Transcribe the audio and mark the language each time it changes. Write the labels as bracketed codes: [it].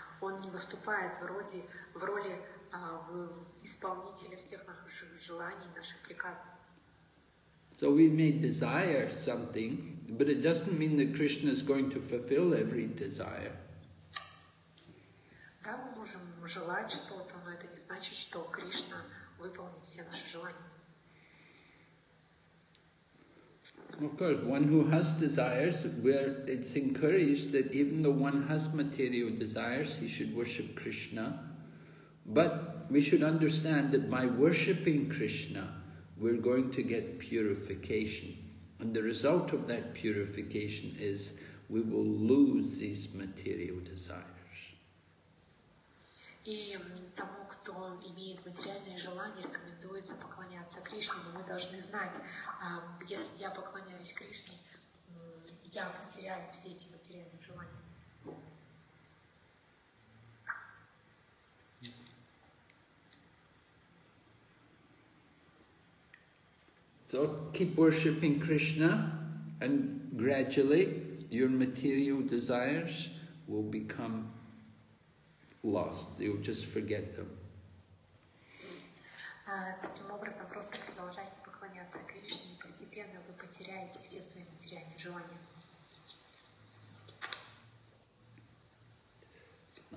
[ru] Он не выступает в роли исполнителя всех наших желаний, наших приказов. [en] So we may desire something, but it doesn't mean that Krishna is going to fulfill every desire. [ru] Да, мы можем желать что-то, но это не значит, что Кришна выполнит все наши желания. [en] Of course, one who has desires, where it's encouraged that even though one has material desires, he should worship Krishna. But we should understand that by worshipping Krishna, we're going to get purification. And the result of that purification is we will lose these material desires. [ru] И тому, кто имеет материальные желания, рекомендуется поклоняться Кришне, но мы должны знать, если я поклоняюсь Кришне, я потеряю все эти материальные желания. [en] So keep worshipping Krishna and gradually your material desires will become lost, you just forget them. [ru] Таким образом, просто продолжайте поклоняться Кришне, и постепенно вы потеряете все свои материальные желания.